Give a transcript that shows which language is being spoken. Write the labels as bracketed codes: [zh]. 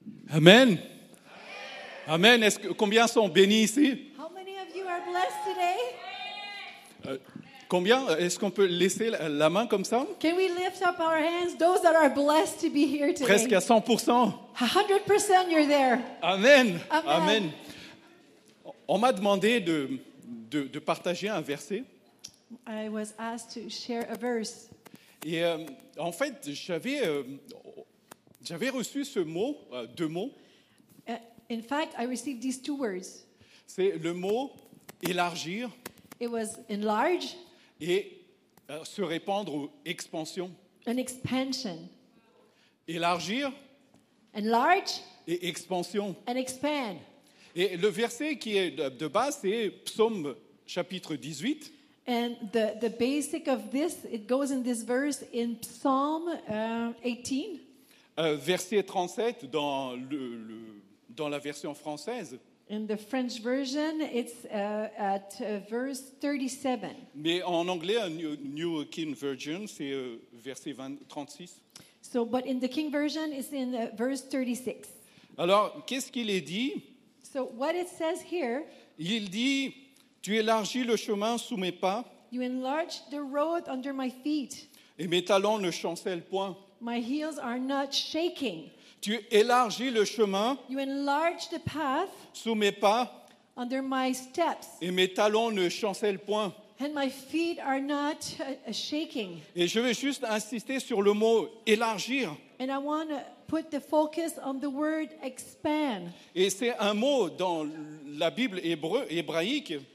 [fr] Amen. Amen. Est-ce que, combien sont bénis ici? [en] How many of you are blessed today? [fr] Combien est-ce qu'on peut laisser la main comme ça? [en] Can we lift up our hands, those that are blessed to be here today? [fr] Presque à 100%. [en] 100% you're there. [fr] Amen. Amen. On m'a demandé de partager un verset. [en] I was asked to share a verse. [fr] Et en fait, j'avais reçu ce mot, deux mots. [en] In fact, I received these two words. [fr] C'est le mot élargir. [en] It was enlarge. [fr] Et se répandre ou expansion. [en] An expansion. [fr] Élargir. [en] Enlarge. [fr] Et expansion. [en] And expand. [fr] Et le verset qui est de base, c'est Psaume chapitre 18. [en] And the basic of this, it goes in this verse in Psalm 18. [fr] Verset 37 dans dans la version française. [en] In the French version, it's at verse 37. [fr] Mais en anglais, New King Version, c'est verset 36. [en] So, but in the King Version, it's in verse 36. [fr] Alors, qu'est-ce qu'il est dit? [en] So, what it says here? [fr] Il dit, tu élargis le chemin sous mes pas. [en] You enlarge the road under my feet. [fr] Et mes talons ne chancellent point. [en] My heels are not shaking. [fr] Tu élargis le chemin [en] you enlarge the path [fr] sous mes pas [en] under my steps, [fr] et mes talons ne chancellent point. [en] And my feet are not shaking. [fr] Et je vais juste insister sur le mot élargir. [en] And I want to put the focus on the word expand. [fr] Et c'est un mot dans la Bible hébraïque.